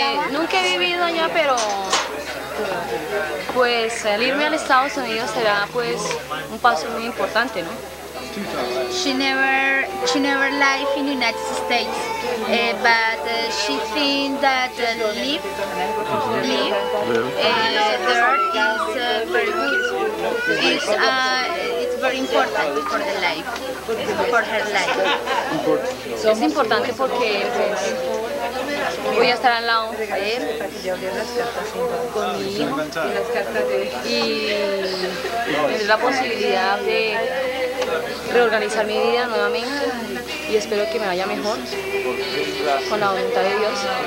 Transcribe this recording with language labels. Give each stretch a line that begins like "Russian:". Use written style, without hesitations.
Spanish: Nunca he vivido allá, pero pues el irme al Estados Unidos será pues un paso muy importante, ¿no?
English: She never lived in the United States, but she thinks that there is very good. It's very important for the life, for her life.
Spanish: Es importante porque voy a estar al lado de él, con mi hijo, y tener la posibilidad de reorganizar mi vida nuevamente, y espero que me vaya mejor con la voluntad de Dios.